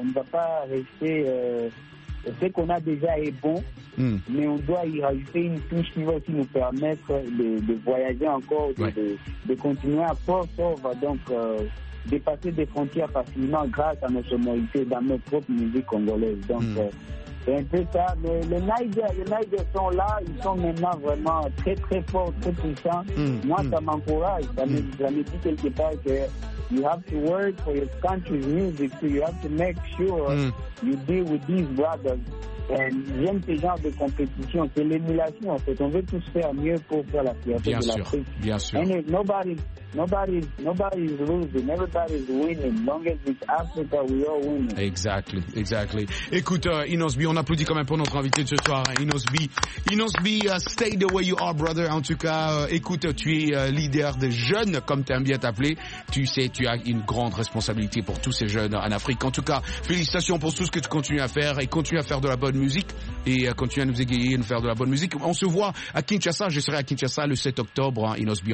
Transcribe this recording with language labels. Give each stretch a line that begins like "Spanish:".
French: On ne va pas rester. Ce qu'on a déjà est bon, mais on doit y rajouter une touche qui va aussi nous permettre de voyager encore, de continuer à poursuivre, donc dépasser des frontières facilement grâce à nos sonorités dans nos propres musiques congolaises. Donc, c'est un peu ça. Mais les Niger sont là, ils sont maintenant vraiment très, très forts, très puissants. Moi, ça m'encourage. Ça me dit quelque part que
English: you have to work for your country's music, so you have to make sure you deal with these brothers. And
French: j'aime ce genre de compétition, c'est l'émulation en fait. On veut tous faire mieux pour faire la fierté bien de sûr, l'Afrique. Bien sûr.
English: And nobody's losing, everybody's winning. As long as it's Africa, we all win. Exactly.
French: Écoute, Inos B, on applaudit quand même pour notre invité de ce soir, Inos B.
English: Inos B, stay the way you are, brother.
French: En tout cas, écoute, tu es leader des jeunes, comme t'aimes bien t'appeler. Tu sais, tu as une grande responsabilité pour tous ces jeunes en Afrique. En tout cas, félicitations pour tout ce que tu continues à faire et continue à faire de la bonne musique et continue à nous égayer et nous faire de la bonne musique. On se voit à Kinshasa. Je serai à Kinshasa le 7 octobre, hein, Inos B.